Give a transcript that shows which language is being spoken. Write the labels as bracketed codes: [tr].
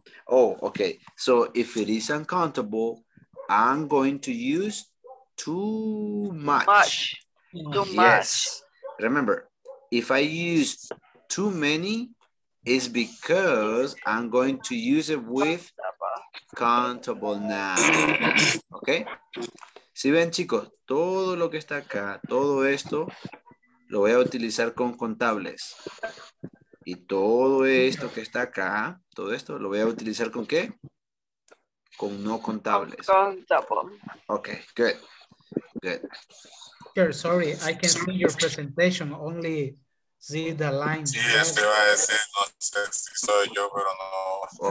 [en] Oh, okay. So if it is uncountable, I'm going to use too much. Too much. Remember, if I use too many, it's because I'm going to use it with countable nouns. Okay? [es] Si ven, chicos, todo lo que está acá, todo esto, lo voy a utilizar con contables. Y todo esto que está acá, todo esto, lo voy a utilizar ¿con qué? Con no contables. Contable. [en] Ok, good. Good. Sure, sorry, I can see your presentation, only see the line. [es] Sí, este va a decir, no sé si soy yo, pero no.